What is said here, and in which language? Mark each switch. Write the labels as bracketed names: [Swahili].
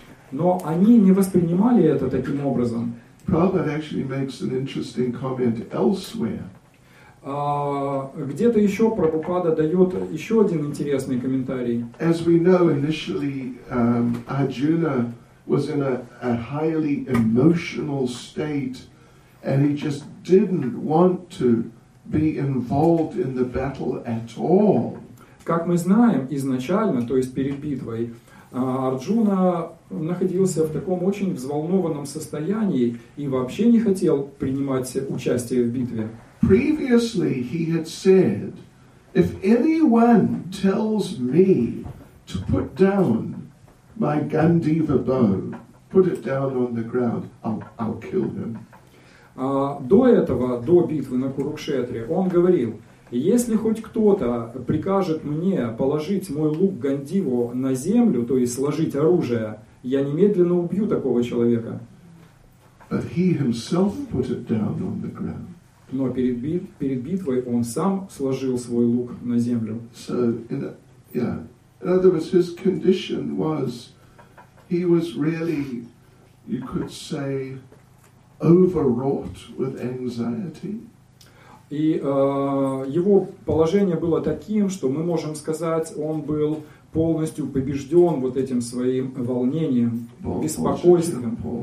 [Russian] Но они не воспринимали это таким образом. [English] Prabhupada actually makes an interesting comment elsewhere. [Russian] Где-то еще Прабхупада дает еще один интересный комментарий. [English] As we know, initially Arjuna was in a highly emotional state, and he just didn't want to be involved in the battle at all. [Russian] Как мы знаем, изначально, то есть перед битвой, Арджуна находился в таком очень взволнованном состоянии и вообще не хотел принимать участие в битве. [English] Previously he had said, if anyone tells me to put down my Gandiva bow, put it down on the ground, I'll kill him. [Russian] До этого, до битвы на Курукшетре, он говорил: если хоть кто-то прикажет мне положить мой лук Гандиву на землю, то есть сложить оружие, я немедленно убью такого человека. [English] But he himself put it down on the ground. [Russian] Но перед битвой он сам сложил свой лук на землю. [English] So, in other words, his condition was, he was really, you could say, overwrought with anxiety. [Russian] И его положение было таким, что мы можем сказать, он был полностью побежден вот этим своим волнением, беспокойством.